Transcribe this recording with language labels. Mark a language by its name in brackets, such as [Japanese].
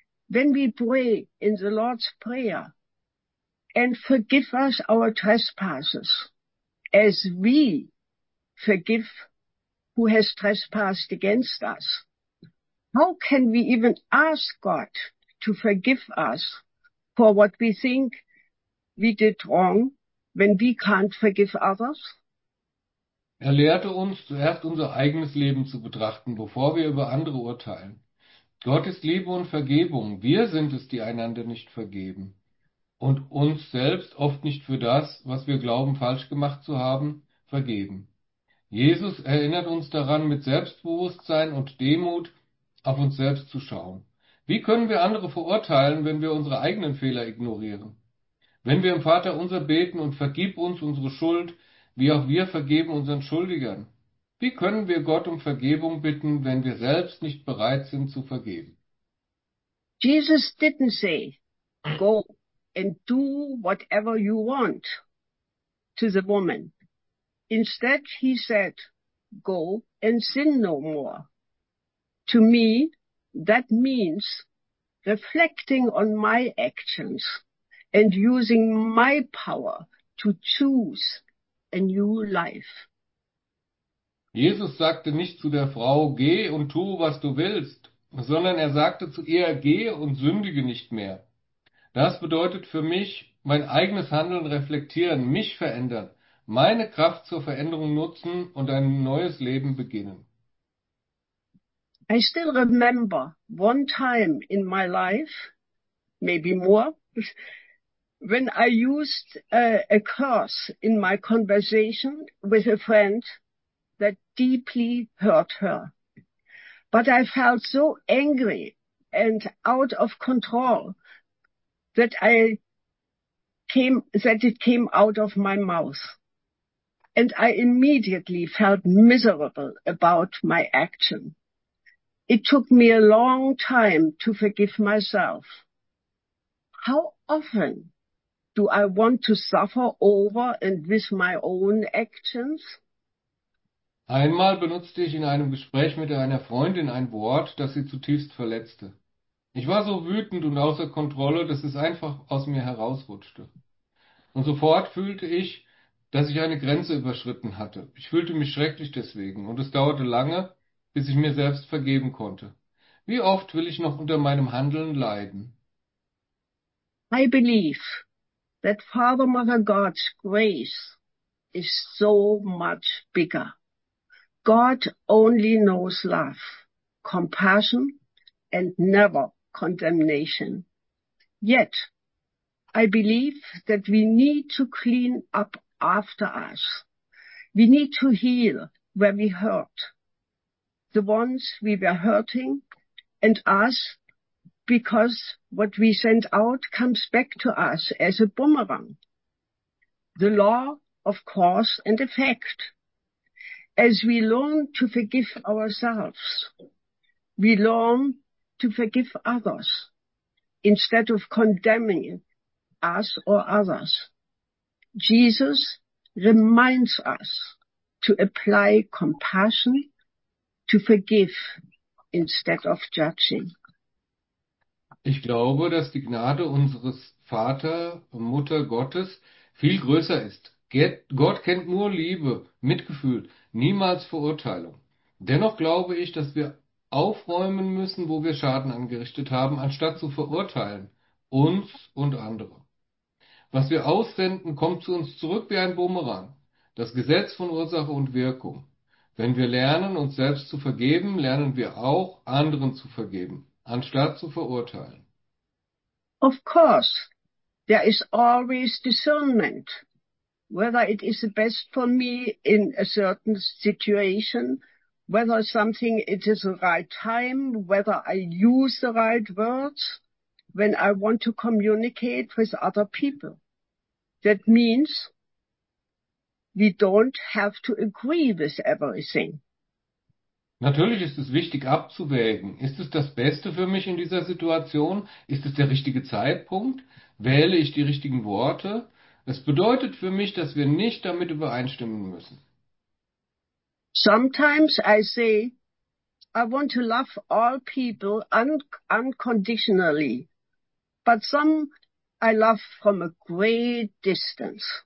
[English] When we pray in the Lord's Prayer, and forgive us our trespasses, as we forgive who has trespassed against us, how can we even ask God to forgive us for what we think we did wrong when we can't forgive others? [German] Er lehrte uns, zuerst unser eigenes Leben zu betrachten, bevor wir über andere urteilen. Gott ist Liebe und Vergebung. Wir sind es, die einander nicht vergeben. Und uns selbst oft nicht für das, was wir glauben, falsch gemacht zu haben, vergeben. Jesus erinnert uns daran, mit Selbstbewusstsein und Demut auf uns selbst zu schauen. Wie können wir andere verurteilen, wenn wir unsere eigenen Fehler ignorieren? Wenn wir im Vater unser beten und vergib uns unsere Schuld, wie auch wir vergeben unseren Schuldigern. Wie können wir Gott um Vergebung bitten, wenn wir selbst nicht bereit sind zu vergeben? [English] Jesus didn't say, go and do whatever you want to the woman. Instead, he said, go and sin no more. To me, that means reflecting on my actions and using my power to choose a new life. [German] Jesus sagte nicht zu der Frau, geh und tu, was du willst, sondern er sagte zu ihr, geh und sündige nicht mehr. Das bedeutet für mich, mein eigenes Handeln reflektieren, mich verändern, meine Kraft zur Veränderung nutzen und ein neues Leben beginnen. [English] I still remember one time in my life, maybe more, when I used a curse in my conversation with a friend that deeply hurt her. But I felt so angry and out of control that it came out of my mouth. And I immediately felt miserable about my action. It took me a long time to forgive myself. How often do I want to suffer over and with my own actions? [German] Einmal benutzte ich in einem Gespräch mit einer Freundin ein Wort, das sie zutiefst verletzte. Ich war so wütend und außer Kontrolle, dass es einfach aus mir herausrutschte. Und sofort fühlte ich, dass ich eine Grenze überschritten hatte. Ich fühlte mich schrecklich deswegen und es dauerte lange, bis ich mir selbst vergeben konnte. Wie oft will ich noch unter meinem Handeln leiden? [English] I believe that Father Mother God's grace is so much bigger. God only knows love, compassion, and never condemnation. Yet, I believe that we need to clean up after us. We need to heal where we hurt, the ones we were hurting, and us, because what we send out comes back to us as a boomerang. The law of cause and effect. As we learn to forgive ourselves, we learn to forgive others instead of condemning us or others. Jesus reminds us to apply compassion, to forgive instead of judging. [German] Ich glaube, dass die Gnade unseres Vater und Mutter Gottes viel größer ist. Gott kennt nur Liebe, Mitgefühl, niemals Verurteilung. Dennoch glaube ich, dass wir aufräumen müssen, wo wir Schaden angerichtet haben, anstatt zu verurteilen, uns und andere. Was wir aussenden, kommt zu uns zurück wie ein Bumerang. Das Gesetz von Ursache und Wirkung. Wenn wir lernen, uns selbst zu vergeben, lernen wir auch, anderen zu vergeben, anstatt zu verurteilen. [English] Of course, there is always discernment, whether it is the best for me in a certain situation, whether something it is the right time, whether I use the right words when I want to communicate with other people. That means we don't have to agree with everything. [German] Natürlich ist es wichtig abzuwägen. Ist es das Beste für mich in dieser Situation? Ist es der richtige Zeitpunkt? Wähle ich die richtigen Worte? Es bedeutet für mich, dass wir nicht damit übereinstimmen müssen. [English] Sometimes I say, I want to love all people unconditionally, but some I love from a great distance.